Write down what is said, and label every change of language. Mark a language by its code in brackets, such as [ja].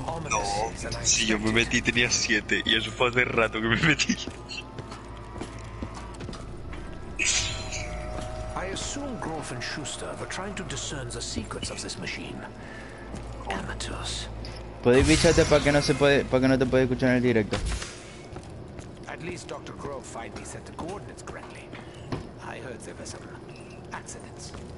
[es] No, si yo me metí tenía 7 y eso fue hace rato que me metí. [en] I assume Grof and Schuster were trying to discern the secrets of this machine. Amateurs. [es] ¿Puedes bicharte para que no se puede, para que no te pueda escuchar en el directo? [en] At least Dr. Grof finally set the coordinates correctly. I heard there were some accidents.